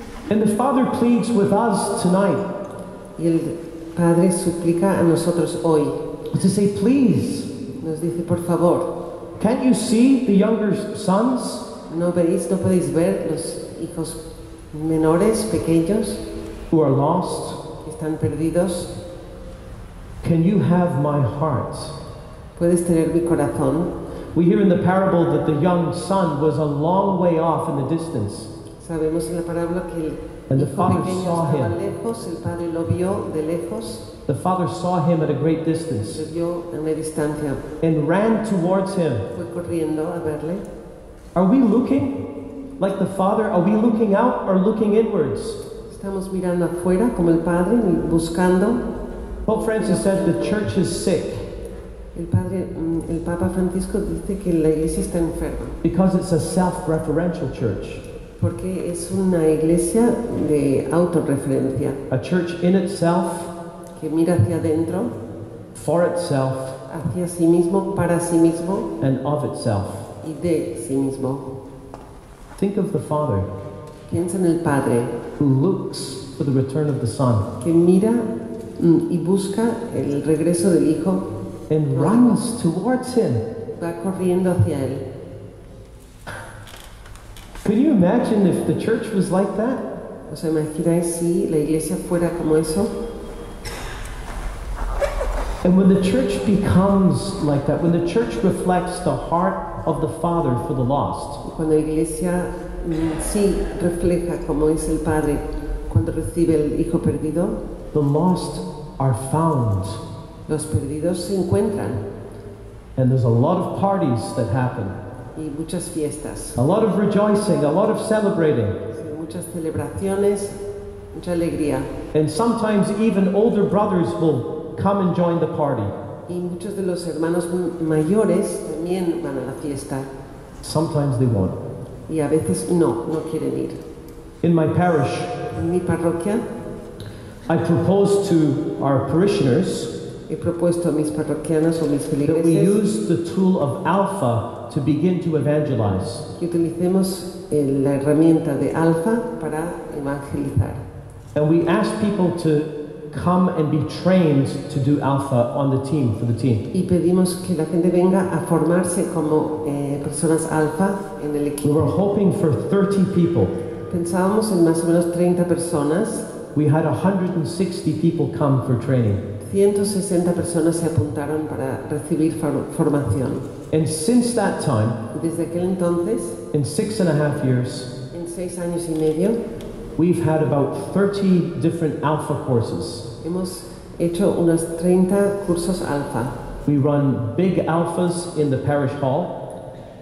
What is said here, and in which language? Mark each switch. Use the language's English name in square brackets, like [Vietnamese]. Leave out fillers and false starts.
[English] And the father pleads with us tonight. [Spanish] Y el padre suplica a nosotros hoy. [English] To say please. [Spanish] Nos dice por favor. [English] Can't you see the younger sons? [Spanish] No veis, no podéis ver los hijos menores, pequeños. [English] Who are lost. [Spanish] Que están perdidos. [English] Can you have my heart? [Spanish] Puedes tener mi corazón. [English] We hear in the parable that the young son was a long way off in the distance. [Spanish] Sabemos en la parábola que el [English] and the father saw him. [Spanish] Lejos, el padre lo vio de lejos. [English] The father saw him at a great distance. [Spanish] Lo vio a una distancia. [English] And ran towards him. [Spanish] Fue corriendo a verle. [English] Are we looking like the father? Are we looking out or looking inwards? [Spanish] Estamos mirando afuera como el padre buscando. [English] Pope Francis said the church is sick. [Spanish] El Papa Francisco dice que la iglesia está enferma. [English] Because it's a self-referential church. [Spanish] Porque es una iglesia de autorreferencia. [English] A church in itself. [Spanish] Que mira hacia adentro. [English] For itself. [Spanish] Hacia sí mismo, para sí mismo. [English] And of itself. [Spanish] Y de sí mismo. [English] Think of the Father. [Spanish] Piensa en el Padre. [English] Who looks for the return of the Son. [Spanish] Que mira y busca el regreso del Hijo. [English] And runs towards him. [Spanish] Va corriendo hacia él. [English] Could you imagine if the church was like that? [Spanish] ¿Os imagináis si la iglesia fuera como eso? [English] And when the church becomes like that, when the church reflects the heart of the Father for the lost. [Spanish] Cuando la iglesia sí refleja como es el Padre cuando recibe el hijo perdido. [English] The lost are found. [Spanish] Los perdidos se encuentran. [English] And there's a lot of parties that happen. [Spanish] Y muchas fiestas. [English] A lot of rejoicing, a lot of celebrating. [Spanish] Sí, muchas celebraciones, mucha alegría. [English] And sometimes even older brothers will come and join the party. [Spanish] Y muchos de los hermanos mayores también van a la fiesta. [English] Sometimes they won't. [Spanish] Y a veces no quieren ir. [English] In my parish, [Spanish] en mi parroquia, [English] I proposed to our parishioners, [Spanish] he propuesto a mis parroquianos o mis feligreses, [English] that we use the tool of Alpha to begin to evangelize. [Spanish] Que utilicemos la herramienta de Alpha para evangelizar. [English] And we ask people to come and be trained to do Alpha on the team, for the team. [Spanish] Y pedimos que la gente venga a formarse como personas Alpha en el equipo. [English] We were hoping for 30 people. [Spanish] Pensábamos en más o menos 30 personas. [English] We had 160 people come for training. [Spanish] 160 personas se apuntaron para recibir formación. [English] And since that time, [Spanish] desde aquel entonces, [English] in 6.5 years, [Spanish] en 6 años y medio, [English] we've had about 30 different Alpha courses. [Spanish] Hemos hecho unos 30 cursos Alpha. [English] We run big Alphas in the parish hall.